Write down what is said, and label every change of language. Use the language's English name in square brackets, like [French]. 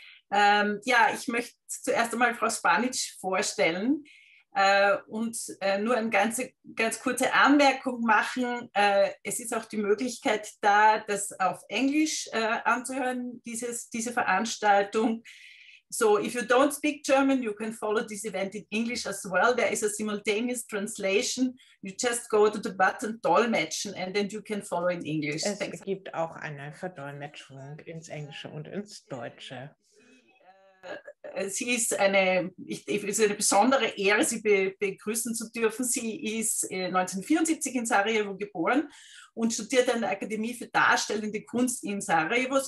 [German] Ja, ich möchte zuerst einmal Frau Španić vorstellen. Nur eine ganz kurze Anmerkung machen. Es ist auch die Möglichkeit da, das auf Englisch anzuhören, diese Veranstaltung. [English] So, if you don't speak German, you can follow this event in English as well. There is a simultaneous translation. You just go to the button Dolmetschen and then you can follow in English. Es Thanks. [German] Gibt auch eine Verdolmetschung ins Englische und ins Deutsche. Sie ist eine besondere Ehre, Sie begrüßen zu dürfen. Sie ist 1974 in Sarajevo geboren und studierte an der Akademie für Darstellende Kunst in Sarajevo.